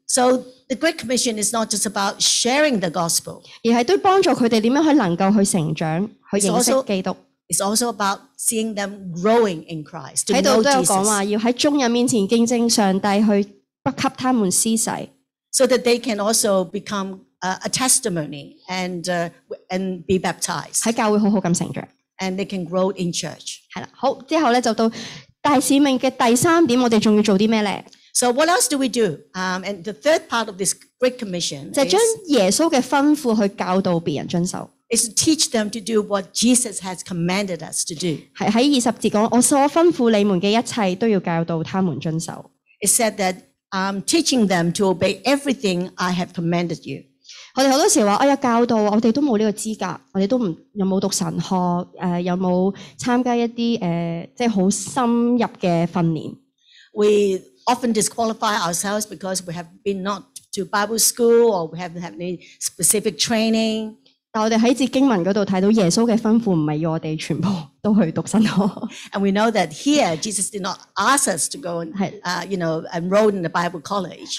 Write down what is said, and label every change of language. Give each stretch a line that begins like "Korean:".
English: So the Great Commission is not just about sharing the gospel，
Cantonese: 而系都帮助佢哋点样去能够去成长，去认识基督。
English: It's also about seeing them growing in Christ。
Cantonese: 喺度都有讲话，要喺众人面前见证上帝，去不给他们施洗
English: ，so that they can also become。 A testimony and be baptized.
Cantonese: 喺教会好好咁成长
English: ，and they can grow in church.
Cantonese: 系啦，好之后咧就到大使命嘅第三点，我哋仲要做啲咩咧
English: ？So what else do we do? And the third part of this Great Commission
Cantonese: 就将耶稣嘅吩咐去教导别人遵守。
English: Is to teach them to do what Jesus has commanded us to do.
Cantonese: 系喺二十节讲，我所吩咐你们嘅一切都要教导他们遵守。
English: It said that I'm teaching them to obey everything I have commanded you.
Cantonese: 我哋好多时话，哎呀，教导我哋都冇呢个资格，我哋都唔有冇读神学，有冇参加一啲即系好深入嘅训练。
English: We often disqualify ourselves because we have been not to Bible school or we haven't had any specific training。
Cantonese: 但我哋喺节经文嗰度睇到耶稣嘅吩咐唔系要我哋全部都去读神学。
English: And we know that here Jesus did not ask us to go and enroll in the Bible college.